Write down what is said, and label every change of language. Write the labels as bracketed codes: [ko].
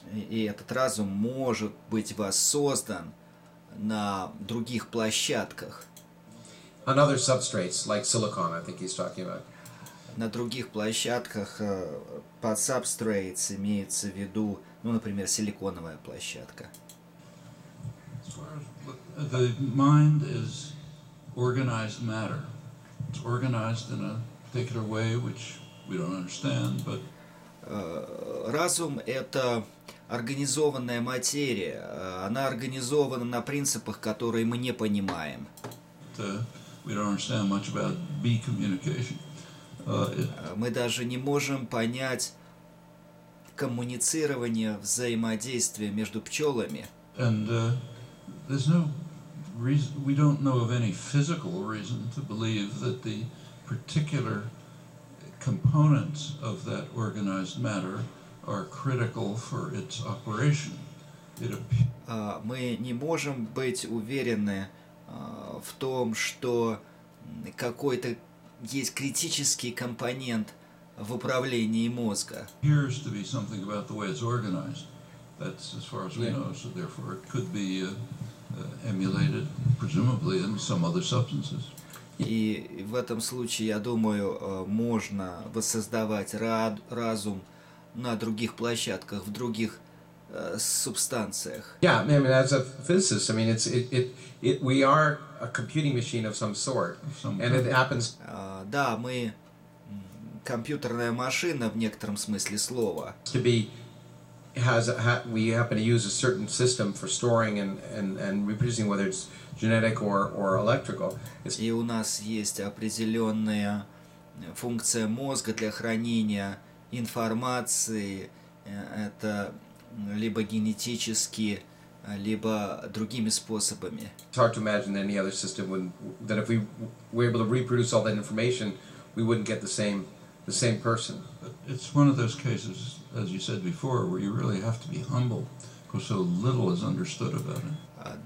[ru] И этот разум может быть воссоздан на других площадках. [en] On other substrates, like silicon, I think he's talking about. [ru] На других площадках под substrates имеется в виду, ну, например, силиконовая площадка. [en] The mind is organized matter. It's organized in a particular way, which we don't understand, but [ru] разум – это организованная материя. Она организована на принципах, которые мы не понимаем. [en] We don't understand much about bee communication. [ru] Мы даже не можем понять коммуницирование, взаимодействие между пчелами. [en] And there's no reason, we don't know of any physical reason to believe that the particular components of that organized matter are critical for its operation. [ru] Мы не можем быть уверены в том, что какой-то есть критический компонент в управлении мозга. [en] Appears to be something about the way it's organized. That's as far as we know. So therefore, it could be emulated, presumably, in some other substances. [ru] И в этом случае, я думаю, можно воссоздавать разум на других площадках, в других субстанциях. [en] Yeah, I mean, as a physicist, I mean, it's we are a computing machine of some sort, and it happens. [ru] Да, мы компьютерная машина в некотором смысле слова. [en] To be we happen to use a certain system for storing and reproducing, whether it's genetic or electrical. [ru] И у нас есть определенная функция мозга для хранения информации. Это либо генетически, либо другими способами. [en] It's hard to imagine any other system that if we were able to reproduce all that information, we wouldn't get the same person. It's one of those cases, as you said before, where you really have to be humble, because so little is understood about it.